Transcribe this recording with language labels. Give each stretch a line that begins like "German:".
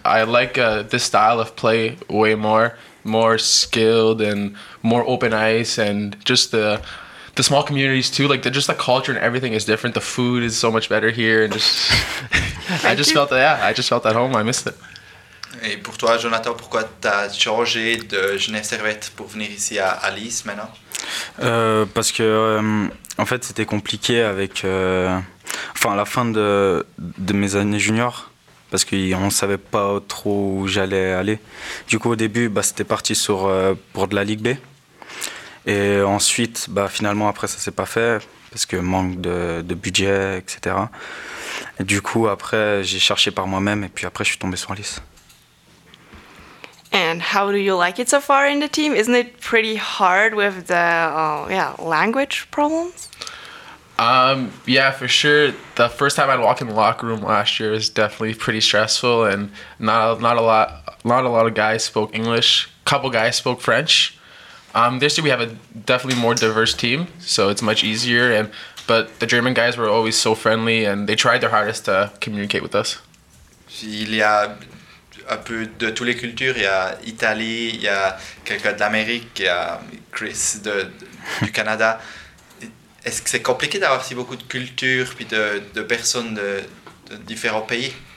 English: I like this style of play way more skilled and more open ice, and just the small communities too. Like just the culture and everything is different. The food is so much better here, and just I just felt at home. I missed it.
French: Et pour toi, Jonathan, pourquoi t'as changé de Genève Servette pour venir ici à Alice maintenant? Parce que en fait, c'était compliqué avec. Enfin, à la fin de mes années juniors, parce qu'on ne savait pas trop où j'allais aller. Du coup, au début, bah, c'était parti pour de la Ligue B. Et ensuite, bah, finalement, après, ça ne s'est pas fait, parce que manque de budget, etc. Et du coup, après, j'ai cherché par moi-même, et puis après, je suis tombé sur Alice.
English: And how do you like it so far in the team? Isn't it pretty hard with the language problems? Yeah, for sure. The first time I'd walk in the locker room last year was definitely pretty stressful, and not a lot of guys spoke English. A couple guys spoke French. This year we have a definitely more diverse team, so it's much easier. But the German guys were always so friendly, and they tried their hardest to communicate with us.
French: Il y a un peu de toutes les cultures. Il y a Italie, il y a quelqu'un d'Amérique, il y a Chris du Canada. Est-ce que c'est compliqué d'avoir si beaucoup de cultures puis de personnes de différents pays?